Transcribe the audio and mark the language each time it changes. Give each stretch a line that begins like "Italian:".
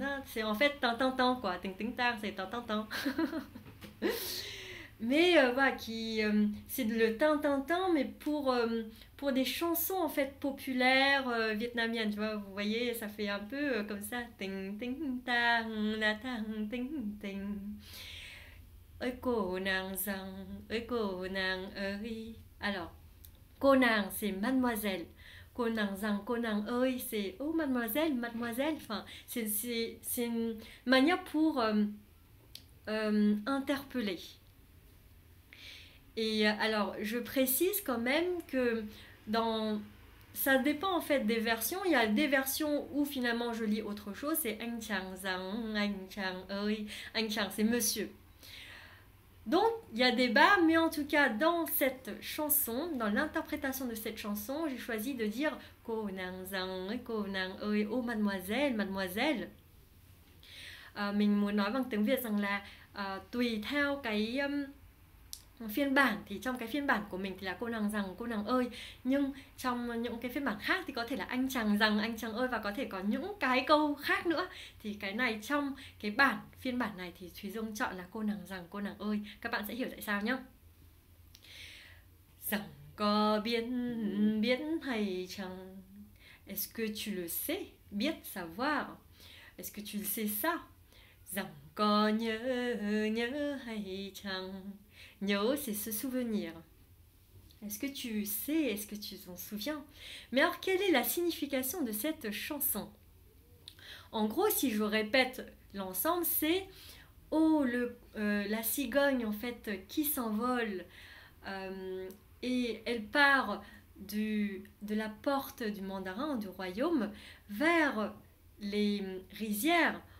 French: C'est en fait tan tan tan quoi. Ting ting tang c'est tan tan tan. Mais voilà c'est le tan tan tan mais pour des chansons en fait populaires vietnamiennes. Tu vois vous voyez ça fait un peu comme ça. Ting ting tang la tang ting ting.
Vietnamese: Ơi cô nàng rằng, ơi cô nàng ơi.
French: Alors, cô nàng c'est mademoiselle.
Vietnamese: Cô nàng rằng, cô nàng ơi
French: c'est oh mademoiselle, mademoiselle. Enfin, c'est une manière pour interpeller. Et alors, je précise quand même que ça dépend en fait des versions. Il y a des versions où finalement je lis autre chose. C'est
Vietnamese: anh chàng rằng, anh chàng ơi.
French: Anh chàng c'est monsieur. Donc, il y a débat, mais en tout cas, dans cette chanson, dans l'interprétation de cette chanson, j'ai choisi de dire
Vietnamese: Konang zang, Konang oi,
French: oh mademoiselle, mademoiselle.
Vietnamese: Mình muốn nói bằng tiếng Việt rằng là tùy theo cái phiên bản, thì trong cái phiên bản của mình thì là Konang zang, Konang oi, nhưng trong những cái phiên bản khác thì có thể là anh chàng rằng, anh chàng ơi, và có thể có những cái câu khác nữa. Thì cái này trong cái bản phiên bản này thì Thùy Dung chọn là cô nàng rằng cô nàng ơi, các bạn sẽ hiểu tại sao nhé. Rằng có biến biến hay chăng?
French: Est-ce que tu le sais? Biết savoir. Est-ce que tu le sais ça?
Vietnamese: Rằng có nhớ nhớ hay chăng?
French: Nhớ, c'est se souvenir. Est-ce que tu sais? Est-ce que tu t'en souviens? Mais alors, quelle est la signification de cette chanson? En gros, si je répète l'ensemble, c'est oh, la cigogne en fait qui s'envole et elle part de la porte du mandarin, du royaume, vers les rizières.